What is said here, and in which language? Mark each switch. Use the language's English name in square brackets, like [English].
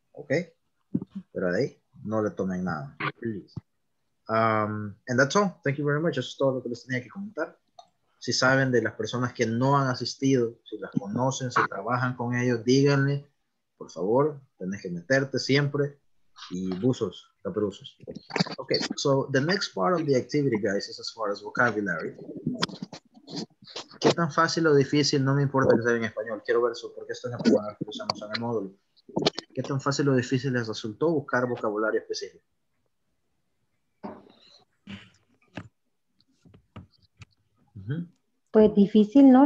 [Spanish] ¿Ok? Pero ahí, no le tomen nada. [English] Please. And that's all. Thank you very much. [Spanish] Eso es todo lo que les tenía que comentar. Si saben de las personas que no han asistido, si las conocen, si trabajan con ellos, díganle, por favor, tenés que meterte siempre. Y buzos, caperuzos. [English] Ok, so the next part of the activity, guys, is as far as vocabulary. [Spanish] ¿Qué tan fácil o difícil? No me importa que sea en español, quiero ver eso, porque esto es la primera que usamos en el módulo. ¿Qué tan fácil o difícil les resultó buscar vocabulario específico? Pues difícil, ¿no?